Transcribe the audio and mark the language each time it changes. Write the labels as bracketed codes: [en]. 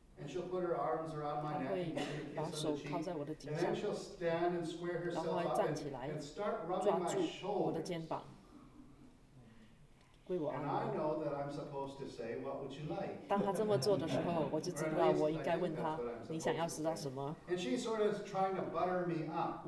[en] and she'll put her arms around my neck and give me a kiss on the cheek, and then she'll stand and square herself up and start rubbing my shoulders. And I know that I'm supposed to say, "What would you like?" [zh] 当他这么做的时候，我就知道我应该问他，你想要知道什么？ [en] And she's sort of trying to butter me up.